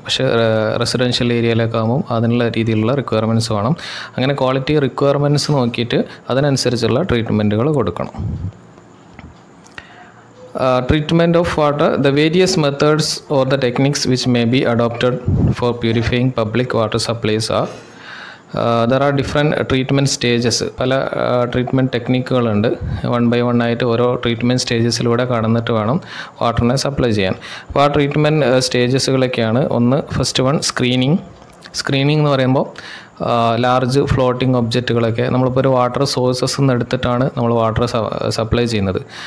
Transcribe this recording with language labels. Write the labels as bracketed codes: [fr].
[ml] പക്ഷേ റെസിഡൻഷ്യൽ ഏരിയയിലൊക്കെ ആകുമ്പോൾ അതിനുള്ള രീതിയിലുള്ള റിക്വയർമെൻറ്റ്സ് വേണം. അങ്ങനെ ക്വാളിറ്റി റിക്വയർമെൻറ്റ്സ് നോക്കിയിട്ട് അതിനനുസരിച്ചുള്ള ട്രീറ്റ്മെൻറ്റുകൾ കൊടുക്കണം. [en] Treatment of water, the various methods or the techniques which may be adopted for purifying public water supplies are. There are different treatment stages. [ml] പല ട്രീറ്റ്മെൻറ്റ് ടെക്നിക്കുകളുണ്ട്. വൺ ബൈ വൺ ആയിട്ട് ഓരോ treatment സ്റ്റേജസിലൂടെ കടന്നിട്ട് വേണം വാട്ടറിനെ supply ചെയ്യാൻ. അപ്പോൾ ആ ട്രീറ്റ്മെൻറ്റ് സ്റ്റേജസുകളൊക്കെയാണ്: ഒന്ന്, first one screening. Screening എന്ന് പറയുമ്പോൾ ലാർജ് ഫ്ലോട്ടിംഗ് ഒബ്ജക്റ്റുകളൊക്കെ നമ്മളിപ്പോൾ ഒരു വാട്ടർ സോഴ്സസ് എന്ന് എടുത്തിട്ടാണ് നമ്മൾ വാട്ടർ സപ്ലൈ ചെയ്യുന്നത്.